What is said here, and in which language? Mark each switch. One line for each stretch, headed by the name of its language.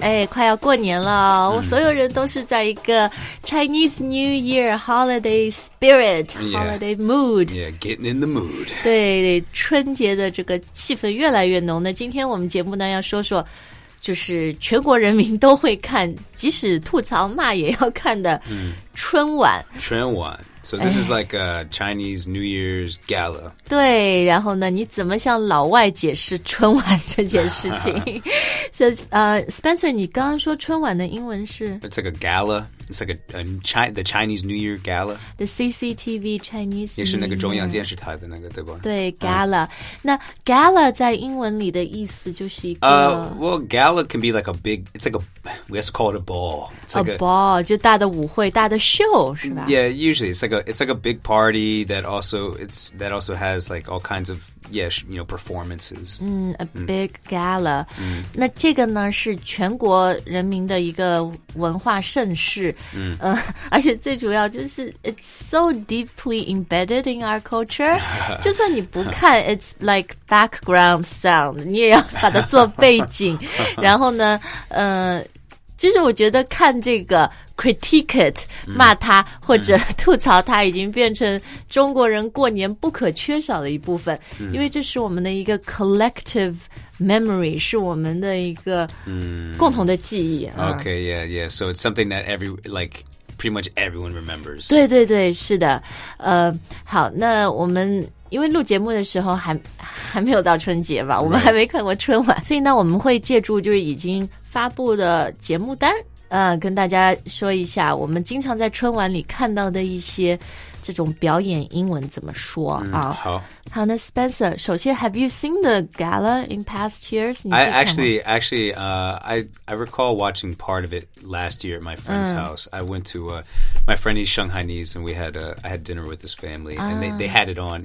Chinese: 哎，快要过年了，我所有人都是在一个
English: Chinese New Year holiday spirit, holiday mood. Yeah, getting in the mood.
Chinese: 对，春节的这个气氛越来越浓。那今天我们节目呢，要说说就是全国人民都会看，即使吐槽骂也要看的春晚。春晚。
English: So this is like a Chinese New Year's gala.
Chinese: 对，然后呢，你怎么向老外解释春晚这件事情？所以，Spencer, 你刚刚说春晚的英文是
English: ？It's like a gala. It's like the Chinese New Year gala. The CCTV Chinese.
Chinese: 也是那个中央电视台的那个，对吧？对 ，gala. 那 gala 在英文里的意思就是一个。
English: Well, gala can be like a big. It's like a. We also call it a ball. It's like a ball,
Chinese: 就大的舞会，大的秀，是吧
English: ？Yeah, usually. It's like a big party that also has like all kinds of, yeah, you know, performances. A big gala.
Chinese: 那这个呢是全国人民的一个文化盛事。而且最主要就是
English: it's so deeply embedded in our culture.
Chinese: 就算你不看
English: it's like background sound,
Chinese: 你也要把它做背景。然后呢就是我觉得看这个
English: critique it,
Chinese: 骂他或者吐槽他已经变成中国人过年不可缺少的一部分，因为这是我们的一个
English: collective memory,
Chinese: 是我们的一个共同的记忆。
English: Okay, yeah, yeah. So it's something that pretty much everyone remembers.
Chinese: 对对对，是的。好，那我们因为录节目的时候还没有到春节吧，我们还没看过春晚，所以呢我们会借助就是已经发布的节目单跟大家说一下我们经常在春晚里看到的一些这种表演英文怎么说啊。好
English: 那 Spencer,
Chinese: 首先
English: have you seen the gala in past years? I recall watching part of it last year at my friend's house. I went to, my friend is Shanghainese and I had dinner with his family and they had it on.